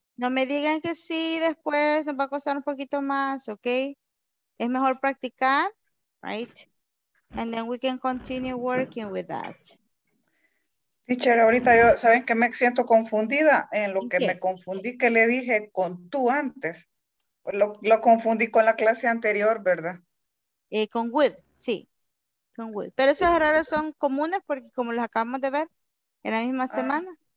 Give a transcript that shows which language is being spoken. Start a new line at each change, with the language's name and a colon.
Spanish: No me digan que sí, después nos va a costar un poquito más, okay. Es mejor practicar, right?
English: And then we can continue working with that.
Spanish: Teacher, ahorita yo, ¿saben que me siento confundida? En lo que me confundí, que le dije con tú antes. Lo confundí con la clase anterior, ¿verdad? Con will, sí. Con will. Pero esos errores son comunes porque como los acabamos de ver en la misma semana.